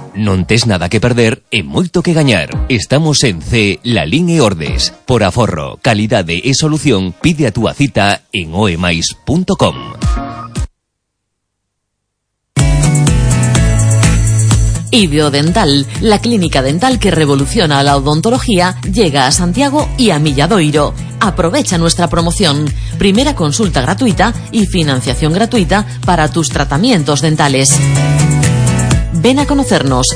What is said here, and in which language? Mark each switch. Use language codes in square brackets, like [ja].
[gl] Non tes nada que perder e moito que gañar. Estamos en C, La Lín e Ordes. Por aforro, calidade e solución, pide a túa cita en oemais.com. [es] Ibiodental, la clínica dental que revoluciona la odontología, llega a Santiago y a Milladoiro. Aprovecha nuestra promoción. Primera consulta gratuita y financiación gratuita para tus tratamientos dentales. Ven a conocernos.